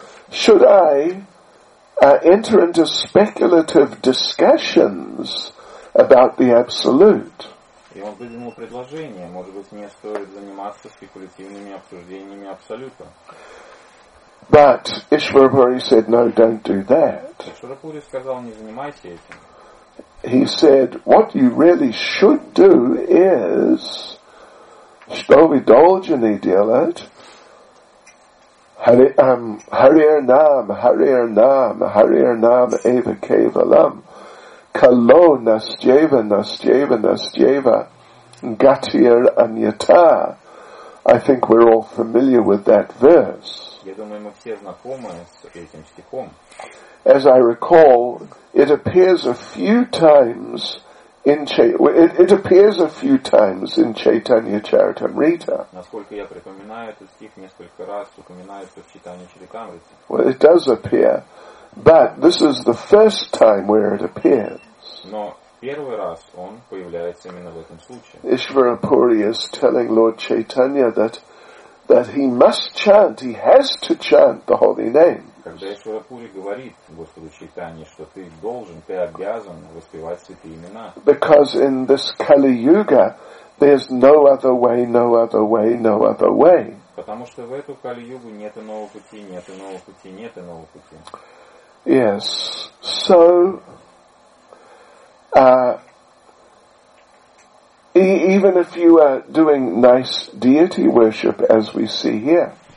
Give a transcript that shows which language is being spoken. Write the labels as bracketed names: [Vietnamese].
[English] Should I enter into speculative discussions about the absolute? [Russian] И он выдвинул предложение, может быть, мне стоит заниматься спекулятивными обсуждениями абсолюта. [English] But Ishwarapuri said, no, don't do that. [Russian] Ишварапури сказал, не занимайся этим. [English] He said, what you really should do is, [Russian] что вы должны делать, [Sanskrit] Hari Nam Eva Kevalam Kalo Nasjeva Nasjeva Nasjeva Gatir Anyata. [English] I think we're all familiar with that verse. [Russian] Я думаю, мы все знакомы с этим стихом. [English] As I recall, it appears a few times in Chaitanya Charitamrita. [Russian] Насколько я припоминаю, этот стих несколько раз упоминается в Чайтанья Чаритамрите. [English] Well, it does appear, but this is the first time where it appears. [Russian] Но первый раз он появляется именно в этом случае. [English] Ishwarapuri is telling Lord Chaitanya that he must chant, he has to chant the holy name. [Russian] Когда Ишварапури говорит Господу Чайтанье, что ты должен, ты обязан воспевать святые имена. [English] Because in this Kali-Yuga there's no other way, no other way, no other way. [Russian] Потому что в эту Кали-Югу нет иного пути, нет иного пути, нет иного пути. [English] Yes. So even if you are doing nice deity worship, as we see here.